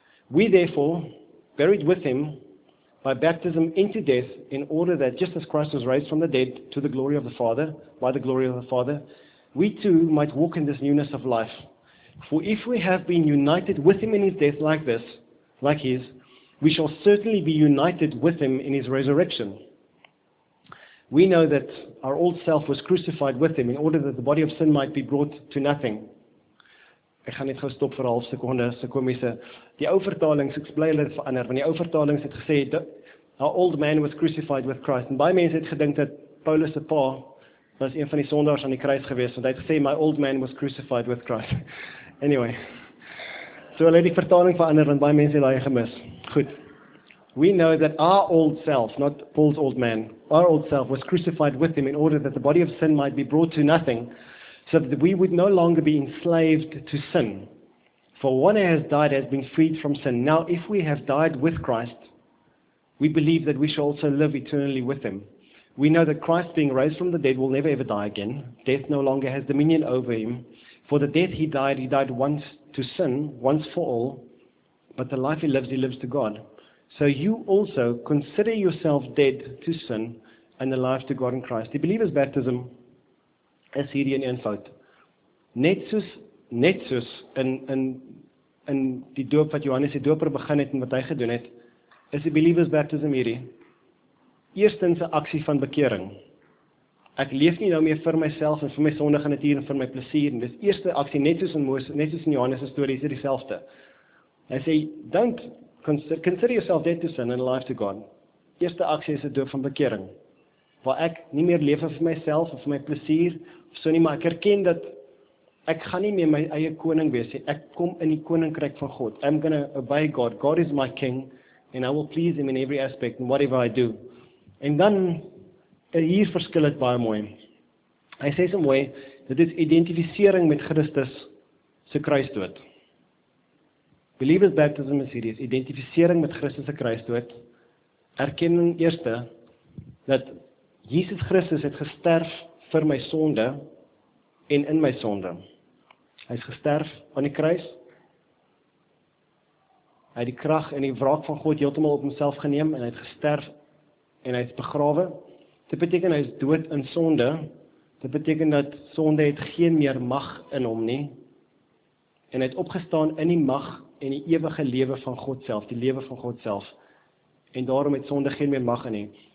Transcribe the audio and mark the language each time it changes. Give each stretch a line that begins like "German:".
English: We therefore buried with him by baptism into death, in order that just as Christ was raised from the dead to the glory of the Father, by the glory of the Father, we too might walk in this newness of life. For if we have been united with him in his death like this, like his, we shall certainly be united with him in his resurrection. We know that our old self was crucified with him in order that the body of sin might be brought to nothing.
Afrikaans: Ek gaan net gou stop vir 'n half sekonde, se komiese. Die ou vertalings, ek bly hulle verander, want die ou vertalings het gesê dat
English: our old man was crucified with Christ.
Afrikaans: En by mense het gedink dat Paulus se pa was een van die sondaars aan die kruis gewees, want hy het gesê my
English: old man was crucified with Christ.
Afrikaans: Anyway. So hulle het die vertaling verander want baie mense het daai gemis. Goed.
English: We know that our old self, not Paul's old man, our old self was crucified with him in order that the body of sin might be brought to nothing, so that we would no longer be enslaved to sin. For one who has died has been freed from sin. Now, if we have died with Christ, we believe that we shall also live eternally with him. We know that Christ, being raised from the dead, will never ever die again. Death no longer has dominion over him. For the death he died once to sin, once for all. But the life he lives to God. So you also consider yourself dead to sin and alive to God in Christ.
Afrikaans: Die believer's baptism is hierdie in een fout. Net soos in die doop wat Johannes die Doper begin het en wat hy gedoen het, is die believer's baptism hierdie. Eerstens 'n aksie van bekering. Ek leef nie nou meer vir myself en vir my sondige natuur en vir my plesier en dis eerste aksie net soos in Moses, net soos in Johannes se storie, is dit dieselfde. Hy sê
English: don't consider yourself dead to sin and alive to God.
Afrikaans: Eerste aksie is 'n doop van bekering. Waar ek nie meer leef vir myself of vir my plesier of so nie, maar ek erken dat ek gaan nie meer my eie koning wees nie. Ek kom in die koninkryk van God.
English: I'm going to obey God. God is my king and I will please him in every aspect and whatever I do.
Afrikaans: En dan hier verskil dit baie mooi. Hy sê so mooi, dit is identifisering met Christus se kruisdood. Believer's baptism is hierdie, identifisering met Christus se kruisdood. Erkenning eerste dat Jesus Christus het gesterf vir my sonde en in my sonde. Hy is gesterf aan die kruis. Hy het die krag en die wraak van God heeltemal op homself geneem en hy het gesterf en hy is begrawe. Dit beteken hy is dood in sonde. Dit beteken dat sonde het geen meer mag in hom nie. En hy het opgestaan in die mag en die ewige lewe van God self, die lewe van God self. En daarom het sonde geen meer mag in hom.